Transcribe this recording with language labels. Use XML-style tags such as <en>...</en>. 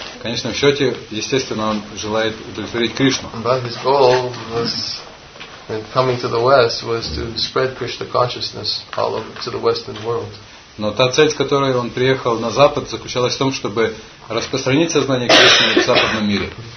<ru>В конечном счете, естественно, он желает удовлетворить Кришну.</ru> <en>But his goal was in coming to the West was to spread Krishna consciousness all over to the Western world.</en> <ru>Но та цель, с которой он приехал на Запад, заключалась в том, чтобы распространить сознание Кришны в западном мире.</ru>